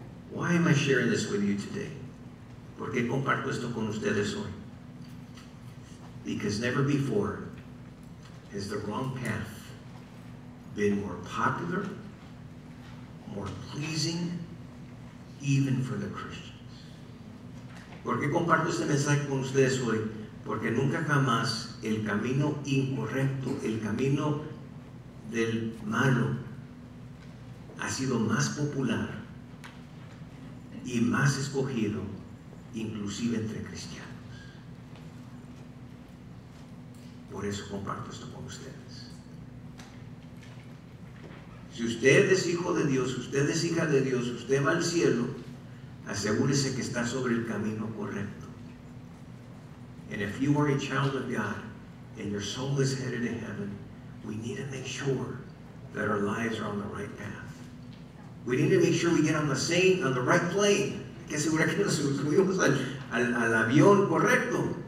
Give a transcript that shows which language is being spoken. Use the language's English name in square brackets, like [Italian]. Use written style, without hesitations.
[English] Why am I sharing this with you today? [Spanish] ¿Por qué comparto esto con ustedes hoy? [English] Because never before has the wrong path been more popular, more pleasing, even for the Christians. [Spanish] ¿Por qué comparto este mensaje con ustedes hoy? Porque nunca jamás el camino incorrecto, el camino del malo, ha sido más popular y más escogido, inclusive entre cristianos. Por eso comparto esto con ustedes. Si usted es hijo de Dios, usted es hija de Dios, usted va al cielo, asegúrese que está sobre el camino correcto. [English] And if you are a child of God and your soul is headed to heaven, we need to make sure that our lives are on the right path. We need to make sure we get on the same, on the right plane. [Spanish] Hay que asegurar que nos subimos al avión correcto.